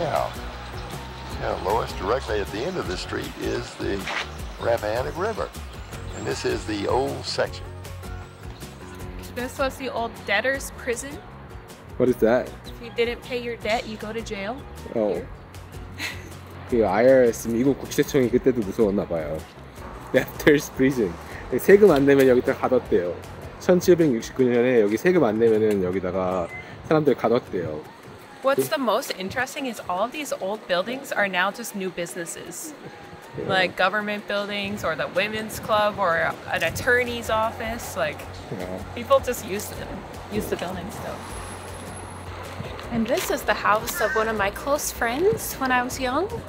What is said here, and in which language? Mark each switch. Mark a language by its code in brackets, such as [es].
[en] Yeah. Yeah, Lois, directly at the end of the street is the Rappahannock River. And this is the old section. This was the old debtor's prison. What is that? If you didn't pay your debt, you go to jail. Oh. [ko] 그 IRS 미국 국세청이 그때도 무서웠나 봐요. [en] Debtors prison. [ko] 세금 안 내면 여기다 가뒀대요. 1769년에 여기 세금 안 내면은 여기다가 사람들 가뒀대요. [en] What's the most interesting is all of these old buildings are now just new businesses. Yeah. Like government buildings or the women's club or an attorney's office. Like yeah. People just use them, use the buildings though. And this is the house of one of my close friends when I was young.